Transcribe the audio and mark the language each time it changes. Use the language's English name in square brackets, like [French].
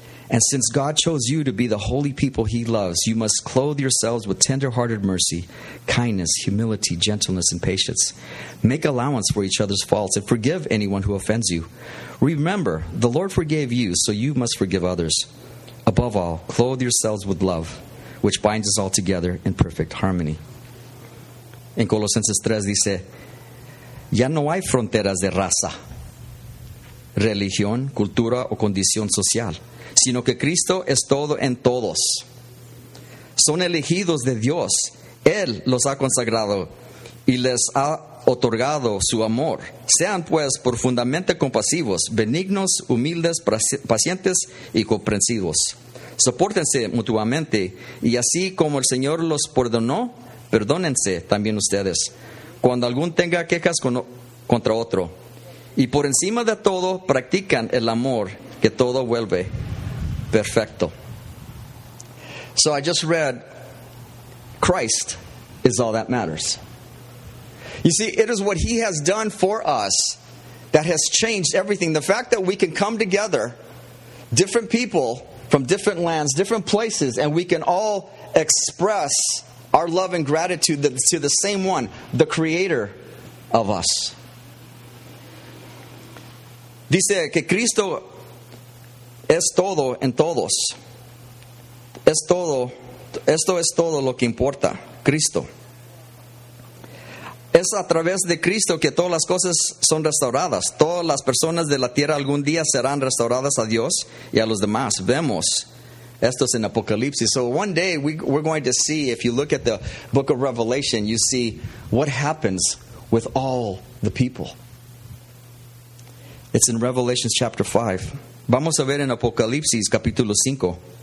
[English] And since God chose you to be the holy people he loves, you must clothe yourselves with tender-hearted mercy, kindness, humility, gentleness, and patience. Make allowance for each other's faults and forgive anyone who offends you. Remember, the Lord forgave you, so you must forgive others. Above all, clothe yourselves with love, which binds us all together in perfect harmony. [Spanish] En Colosenses 3 dice, ya no hay fronteras de raza, religión, cultura o condición social, sino que Cristo es todo en todos. Son elegidos de Dios. Él los ha consagrado y les ha otorgado su amor. Sean pues profundamente compasivos, benignos, humildes, pacientes y comprensivos. Sopórtense mutuamente y así como el Señor los perdonó, perdónense también ustedes. Cuando algún tenga quejas contra otro. Y por encima de todo, practican el amor que todo vuelve perfecto. [English] So I just read, Christ is all that matters. You see, it is what he has done for us that has changed everything. The fact that we can come together, different people from different lands, different places, and we can all express our love and gratitude to the same one, the creator of us. [Spanish] Dice que Cristo es todo en todos. Es todo, esto es todo lo que importa, Cristo. Es a través de Cristo que todas las cosas son restauradas. Todas las personas de la tierra algún día serán restauradas a Dios y a los demás. Vemos. Esto es en Apocalipsis. [English] So one day we're going to see, if you look at the book of Revelation, you see what happens with all the people. It's in Revelation chapter 5. [Spanish] Vamos a ver en Apocalipsis capítulo 5.